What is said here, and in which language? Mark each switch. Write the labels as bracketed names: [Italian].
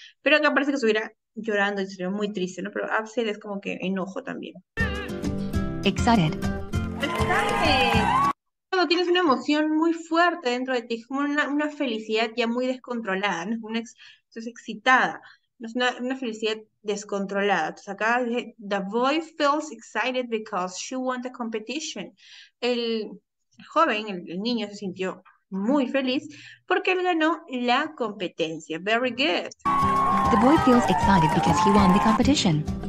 [Spanish] Pero acá parece que estuviera llorando y estuviera muy triste, ¿no? Pero upset es como que enojo también. [English] Excited. [Spanish] Cuando tienes una emoción muy fuerte dentro de ti, es como una felicidad ya muy descontrolada, ¿no? Estás excitada. Es una felicidad descontrolada. Entonces acá dice, [English] the boy feels excited because she won the competition. [Spanish] El joven, el niño se sintió muy feliz porque él ganó la competencia. [English] Very good. The boy feels excited because he won the competition.